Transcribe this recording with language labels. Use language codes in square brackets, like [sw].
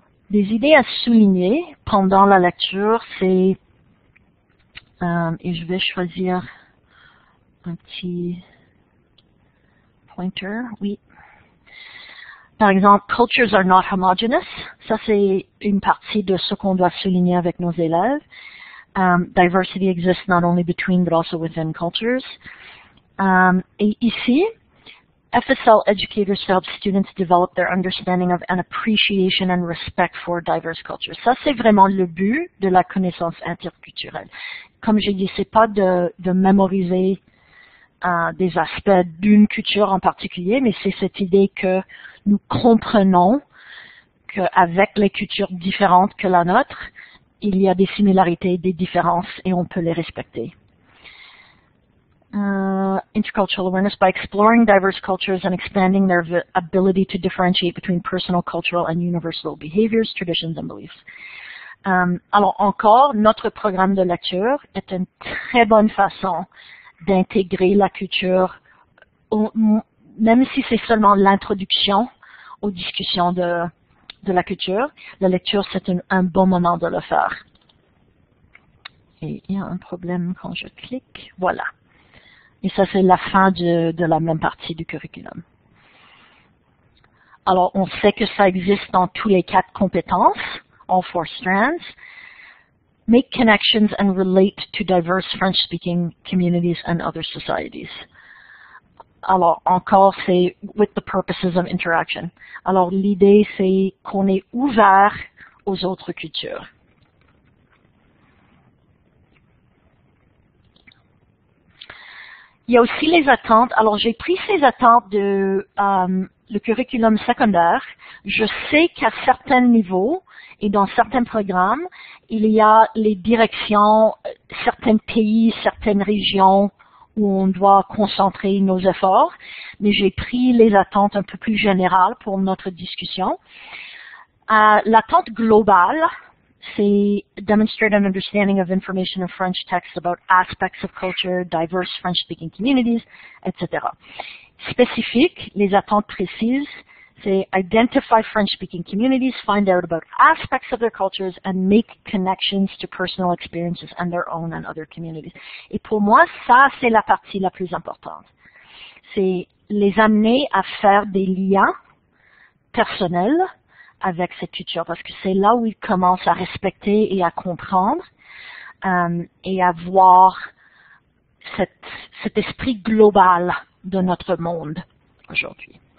[fr] Des idées à souligner pendant la lecture, c'est, et je vais choisir un petit pointer, oui. Par exemple, [en] cultures are not homogeneous. [fr] Ça, c'est une partie de ce qu'on doit souligner avec nos élèves. [en] Diversity exists not only between, but also within cultures. [fr] Et ici, [en] FSL educators to help students develop their understanding of and appreciation and respect for diverse cultures. [fr] Ça, c'est vraiment le but de la connaissance interculturelle. Comme j'ai dit, c'est pas de mémoriser des aspects d'une culture en particulier, mais c'est cette idée que nous comprenons qu'avec les cultures différentes que la nôtre, il y a des similarités, des différences, et on peut les respecter. [en] Intercultural awareness by exploring diverse cultures and expanding their ability to differentiate between personal, cultural, and universal behaviors, traditions, and beliefs. [fr] Alors encore, notre programme de lecture est une très bonne façon d'intégrer la culture, même si c'est seulement l'introduction aux discussions de la culture. La lecture, c'est un bon moment de le faire. Et il y a un problème quand je clique. Voilà. Et ça, c'est la fin de la même partie du curriculum. Alors, on sait que ça existe dans tous les quatre compétences, [en] all four strands. Make connections and relate to diverse French-speaking communities and other societies. [fr] Alors, encore, c'est [en] with the purposes of interaction. [fr] Alors, l'idée, c'est qu'on est ouvert aux autres cultures. Il y a aussi les attentes. Alors, j'ai pris ces attentes de le curriculum secondaire. Je sais qu'à certains niveaux et dans certains programmes, il y a les directions, certains pays, certaines régions où on doit concentrer nos efforts. Mais j'ai pris les attentes un peu plus générales pour notre discussion. L'attente globale, c'est [en] demonstrate an understanding of information in French texts about aspects of culture, diverse French-speaking communities, etc. [fr] Spécifique, les attentes précises, c'est [en] identify French-speaking communities, find out about aspects of their cultures, and make connections to personal experiences and their own and other communities. [fr] Et pour moi, ça, c'est la partie la plus importante. C'est les amener à faire des liens personnels avec cette culture, parce que c'est là où ils commencent à respecter et à comprendre et à voir cet esprit global de notre monde aujourd'hui.